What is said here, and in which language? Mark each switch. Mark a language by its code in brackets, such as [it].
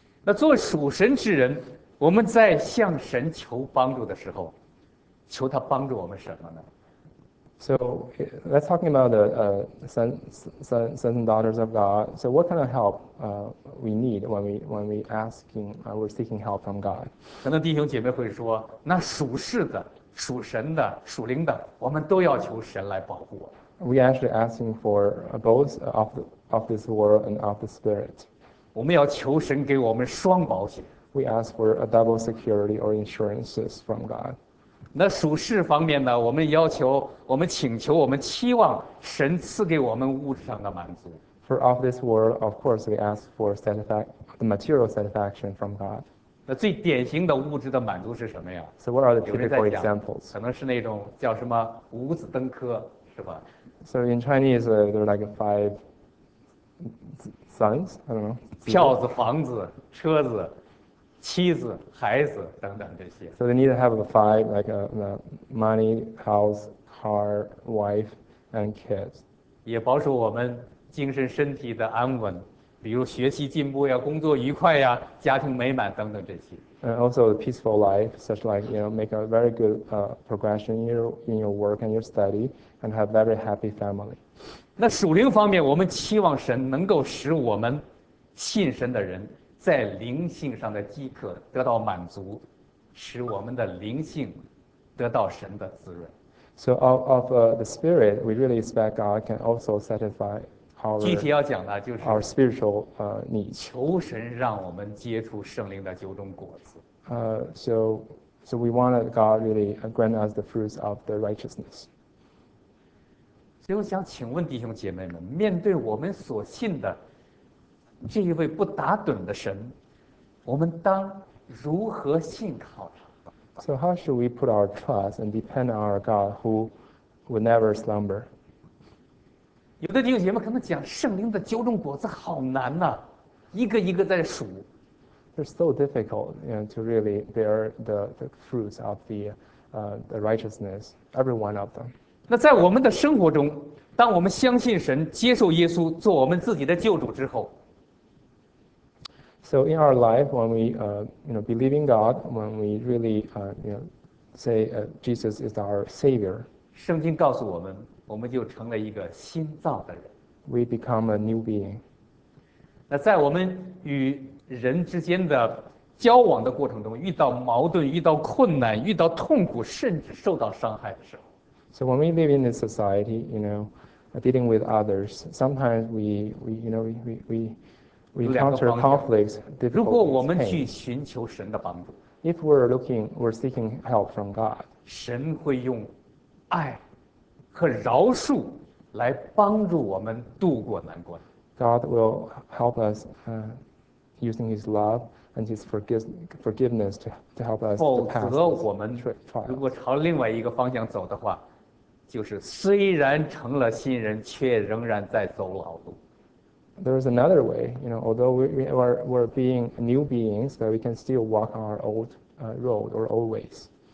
[zh] 那做属神之人，我们在向神求帮助的时候，求他帮助我们什么呢？ [en] So let's talking about the sons and daughters of God. So what kind of help we need when we asking we're seeking help from God? [zh] 可能弟兄姐妹会说，那属世的、属神的、属灵的，我们都要求神来保护我。 [en] We actually asking for both of this world and of the spirit. [zh] 我们要求神给我们双保险。 [en] We ask for a double security or insurances from God. [zh] 那属世方面呢？我们要求、我们请求、我们期望神赐给我们物质上的满足。 [en] For of this world, of course, we ask for the material satisfaction from God. [zh] 那最典型的物质的满足是什么呀 [en] ？So what are the typical examples? [zh] 可能是那种叫什么五子登科，是吧 [en] ？So in Chinese, there are like five sons. I don't know. [zh] 票子、房子、车子。妻子、孩子等等这些。 [en] So they need to have the five, like the money, house, car, wife, and kids. [zh] 也保守我们精神、身体的安稳，比如学习进步呀、工作愉快呀、家庭美满等等这些。 [en] And also a peaceful life, such like make a very good progression in your work and your study, and have very happy family. [zh] 那属灵方面，我们期望神能够使我们信神的人，在灵性上的饥渴得到满足，使我们的灵性得到神的滋润。 [en] So of the spirit, we really expect God can also satisfy our [zh] 具体要讲的就是 [en] our spiritual needs. [zh] 求神让我们结出圣灵的九种果子。 [en] So we wanted God really grant us the fruits of the righteousness. [zh] 所以我想请问弟兄姐妹们，面对我们所信的这一位不打盹的神，我们当如何信靠他 [en] ？So how should we put our trust and depend on our God who will never slumber？ [zh] 有的弟兄姐妹可能讲圣灵的九种果子好难呐、啊，一个一个在数。 [en] They're so difficult, to really bear the fruits of the righteousness, every one of them. [zh] 那在我们的生活中，当我们相信神、接受耶稣做我们自己的救主之后。 [en] So in our life, when we believe in God, when we really say Jesus is our Savior, [zh] 圣经告诉我们，我们就成了一个新造的人。 [en] we become a new being. [zh] 那在我们与人之间的交往的过程中，遇到矛盾、遇到困难、遇到痛苦，甚至受到伤害的时候。 [en] So when we live in a society, you know, dealing with others, sometimes we encounter conflicts, difficulties, pain. If we're looking, we're seeking help from God, God will help us using His love and His forgiveness to help us to pass this trial. [zh] 就是虽然成了新人，却仍然在走老路。 [en] There is another way, you know, although we're being new beings, but we can still walk our old road or old ways.